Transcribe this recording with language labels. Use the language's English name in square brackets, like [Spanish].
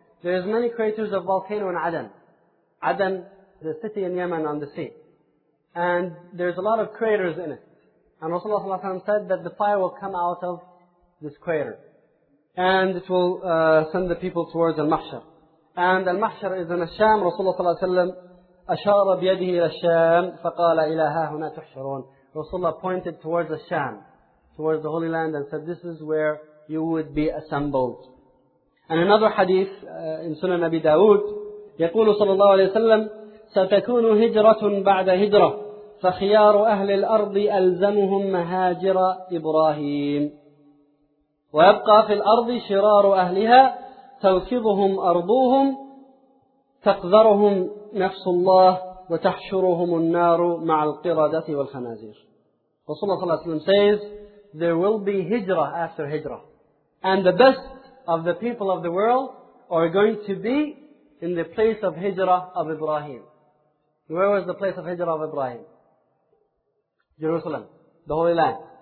[English] There is many craters of volcano in Adan. Adan, the city in Yemen on the sea. And there's a lot of craters in it. And Rasulullah ﷺ said that the fire will come out of this crater. And it will send the people towards Al-Mahshar. And Al-Mahshar is in Al-Sham. [Arabic] Rasulullah ﷺ أشار بيده إلى الشام فقال إلى ها هنا تحشرون. [English] Rasulullah pointed towards Al-Sham, towards the Holy Land, and said, "This is where you would be assembled." [Arabic] And another hadith in Sunan Abi Dawood, يقول صلى الله عليه وسلم ستكون هجرة بعد هجرة فخيار أهل الأرض ألزمهم مهاجر إبراهيم ويبقى في الأرض شرار أهلها توكضهم أرضوهم تقذرهم نفس الله وتحشرهم النار مع القردة والخنازير. [English] رسول الله صلى الله عليه وسلم says, there will be hijra after hijra, and the best of the people of the world are going to be in the place of hijra of Ibrahim. Where was the place of hijra of Ibrahim? Jerusalem, the Holy Land.